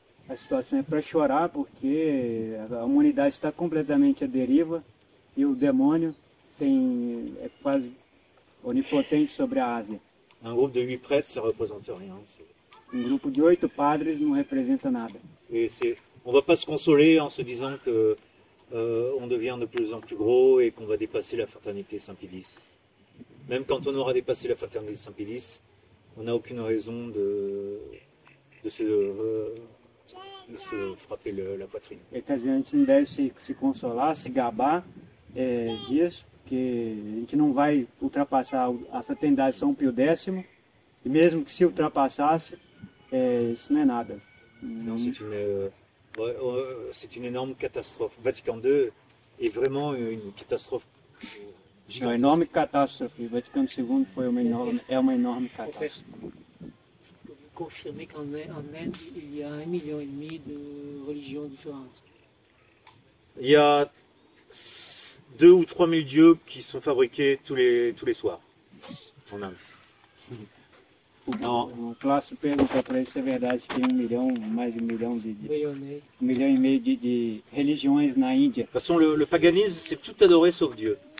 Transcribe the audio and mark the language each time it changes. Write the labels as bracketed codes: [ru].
[pt] A situação é para chorar porque a humanidade está completamente à deriva e o demônio é quase onipotente sobre a Ásia. [fr] Un groupe de 8 prêtres ça représente rien. [pt] Um grupo de 8 padres não representa nada. [fr] Et c'est, on va pas se consoler en se disant que on devient de plus en plus gros et qu'on va dépasser la fraternité Saint-Pilis. Même quand on aura dépassé la fraternité Saint-Pilis, on n'a aucune raison de se frapper la poitrine. [pt] Então, a gente não deve se consolar, se gabar disso, porque a gente não vai ultrapassar a fraternidade São Pio X, e mesmo que se ultrapassasse, isso não é nada. [fr] Não, c'est une énorme catastrophe. Vatican II é vraiment une catastrophe. [pt] É uma enorme catástrofe. Vaticano II foi uma enorme catástrofe. [fr] Confirmer qu'en Inde, il y a 1,5 million de religions différentes. Il y a 2 ou 3 000 dieux qui sont fabriqués tous les soirs en Inde. Non. [pt] Classe pergunta pra isso, é verdade, tem mais de 1 million de religiões na Índia. [fr] De toute façon, le paganisme, c'est tout adoré sauf Dieu.